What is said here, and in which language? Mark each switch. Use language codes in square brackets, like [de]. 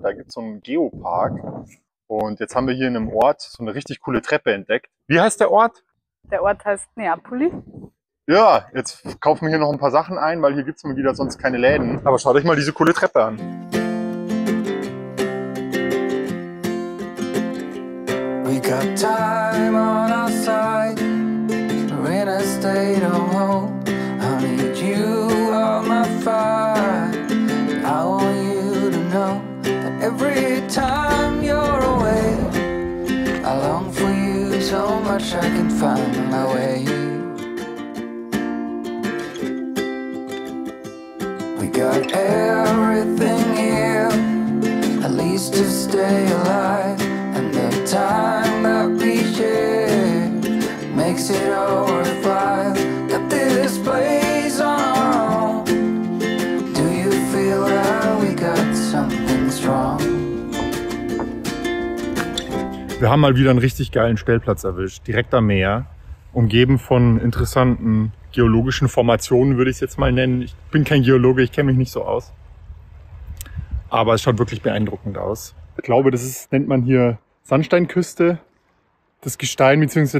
[de] Da gibt es so einen Geopark. Und jetzt haben wir hier in einem Ort so eine richtig coole Treppe entdeckt. Wie heißt der Ort? Der Ort heißt Neapoli. Ja, jetzt kaufen wir hier noch ein paar Sachen ein, weil hier gibt es mal wieder sonst keine Läden. Aber schaut euch mal diese coole Treppe an. [en] We got time on our side, we're in a state of hope. I need you on my fire, I want you to know that every time you're away, I long for you so much I can find my way. Got everything here, at least to stay alive. And the time that we share makes it all worthwhile. Got this place on our own. Do you feel that we got something strong? [de] Wir haben mal wieder einen richtig geilen Stellplatz erwischt, direkt am Meer, umgeben von interessanten geologischen Formationen, würde ich es jetzt mal nennen. Ich bin kein Geologe, ich kenne mich nicht so aus. Aber es schaut wirklich beeindruckend aus. Ich glaube, nennt man hier Sandsteinküste. Das Gestein bzw.